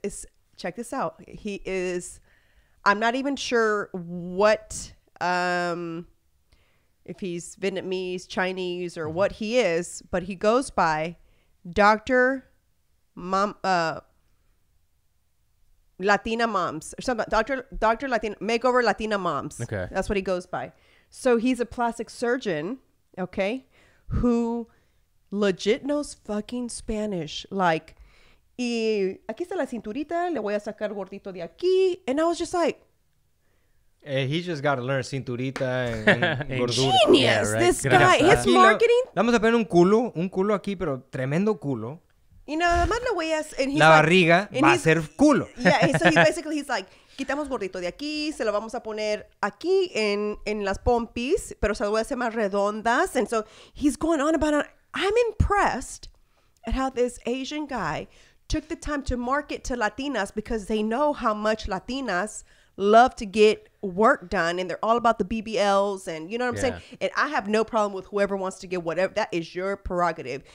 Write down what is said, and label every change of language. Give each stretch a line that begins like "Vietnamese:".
English: It's, check this out. He is. I'm not even sure what if he's Vietnamese, Chinese, or what he is, but he goes by Dr. Mom. Latina moms or something. Dr. Latina makeover Latina moms. Okay, that's what he goes by. So he's a plastic surgeon, okay, who legit knows fucking Spanish.
Spanish: Like, y aquí está la cinturita, le voy a sacar gordito de aquí.
English: And I was just like, hey, he just got to learn cinturita and gordura. Genius, yeah, right. This guy. His marketing.
Spanish: Vamos a poner un culo aquí, pero tremendo culo. Y nada más le voy a... And la barriga
English: like,
Spanish: va a ser culo. Yeah, so he basically he's like, quitamos gordito de aquí, se lo vamos a poner aquí en las pompis, pero se lo voy a hacer más redondas.
English: And so he's going on about it. I'm impressed at how this Asian guy took the time to market to Latinas because they know how much Latinas love to get work done, and they're all about the BBLs, and you know what I'm yeah. saying. And I have no problem with whoever wants to get whatever. That is your prerogative.